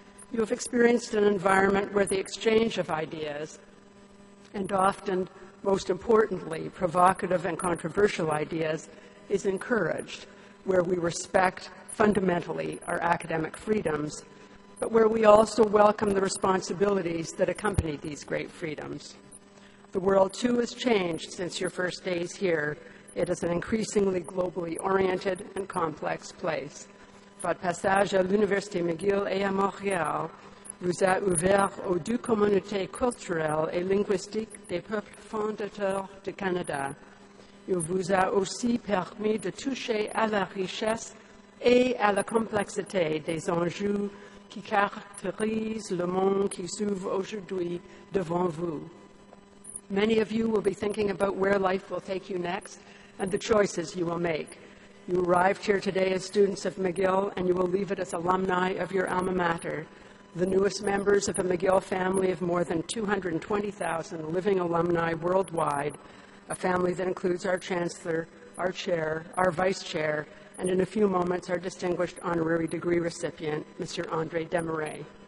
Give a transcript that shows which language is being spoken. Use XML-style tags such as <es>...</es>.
<en>You have experienced an environment where the exchange of ideas, and often, most importantly, provocative and controversial ideas, is encouraged, where we respect fundamentally our academic freedoms, but where we also welcome the responsibilities that accompany these great freedoms. The world, too, has changed since your first days here. It is an increasingly globally oriented and complex place.</en> <fr>Votre passage à l'Université McGill et à Montréal vous a ouvert aux deux communautés culturelles et linguistiques des peuples fondateurs du Canada. Il vous a aussi permis de toucher à la richesse et à la complexité des enjeux qui caractérisent le monde qui s'ouvre aujourd'hui devant vous.</fr> <en>Many of you will be thinking about where life will take you next and the choices you will make. You arrived here today as students of McGill, and you will leave it as alumni of your alma mater, the newest members of a McGill family of more than 220,000 living alumni worldwide, a family that includes our chancellor, our chair, our vice chair, and in a few moments, our distinguished honorary degree recipient, Mr. Andre Demaret.</en>